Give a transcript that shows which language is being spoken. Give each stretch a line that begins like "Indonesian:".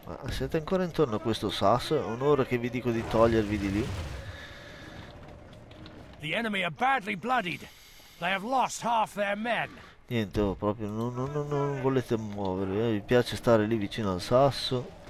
Italian: Siete ancora intorno a questo sasso? È un'ora che vi dico di togliervi di lì.
English: The enemy are badly bloodied. They have lost half their men.
Italian: Niente, oh, proprio non volete muovere. Vi piace stare lì vicino al sasso.